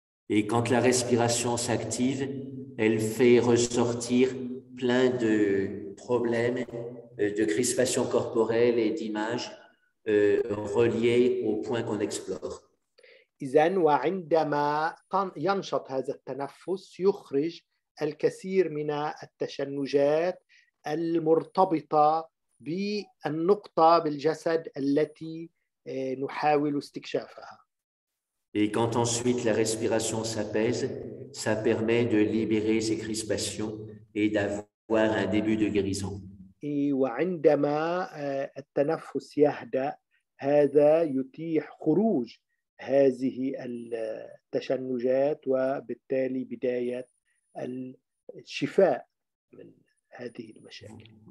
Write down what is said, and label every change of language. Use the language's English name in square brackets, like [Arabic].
[French] Et quand la respiration s'active, elle fait ressortir plein de problèmes, de crispation corporelle et d'images reliées au point qu'on explore. [Arabic] إذن وعندما ينشط هذا التنفس يخرج الكثير من التشنجات المرتبطة بالنقطة بالجسد التي نحاول استكشافها. [French] Et quand ensuite la respiration s'apaise, ça permet de libérer ces crispations et d'avoir un début de guérison. [Arabic] وعندما التنفس يهدأ هذا يتيح خروج هذه التشنجات وبالتالي بداية الشفاء من هذه المشاكل.